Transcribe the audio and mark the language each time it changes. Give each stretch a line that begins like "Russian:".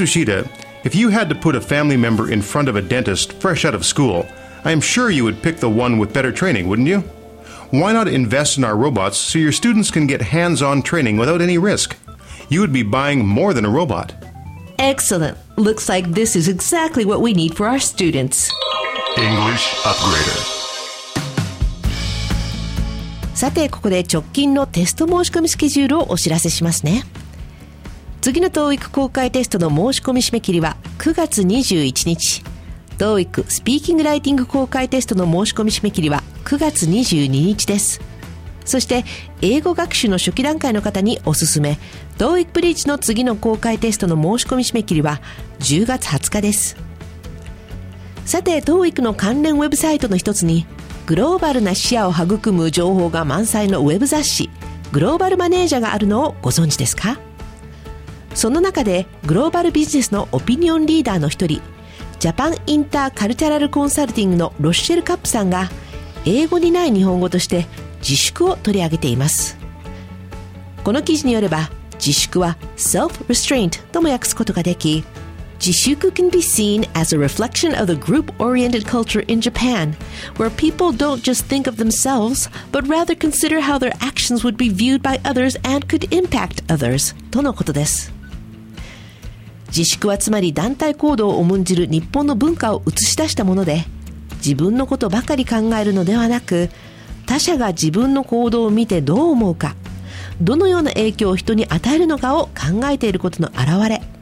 English: Ushida, if you had to put a family member in front of a dentist fresh out of school, I am sure you would pick the one with better training, wouldn't you? Why not invest in our robots so your students can get hands-on training without any risk? You would be buying more than a robot. Excellent. Looks like this is exactly what we need for our students. English Upgrader.
Japanese: さて、ここで直近のテスト申し込みスケジュールをお知らせしますね。次の TOEIC 公開テストの申し込み締め切りは9月21日。 TOEIC スピーキングライティング公開テストの申し込み締め切りは9月22日です。そして、英語学習の初期段階の方におすすめ、TOEIC ブリッジの次の公開テストの申し込み締め切りは10月20日です。さて、TOEIC の関連ウェブサイトの一つに、グローバルな視野を育む情報が満載のウェブ雑誌グローバルマネージャーがあるのをご存知ですか？その中でグローバルビジネスのオピニオンリーダーの一人、ジャパンインターカルチャラルコンサルティングのロッシェル・カップさんが英語にない日本語として自粛を取り上げています。この記事によれば、自粛は
English: self restraint
Japanese: とも訳すことができ、
English: 自粛 can be seen as a reflection of the group-oriented culture in Japan, where people don't just think of themselves, but rather consider how their actions would be viewed by others and could impact others,
Japanese: とのことです。自粛はつまり団体行動を重んじる日本の文化を映し出したもので、自分のことばかり考えるのではなく、他者が自分の行動を見てどう思うか、どのような影響を人に与えるのかを考えていることの表れ。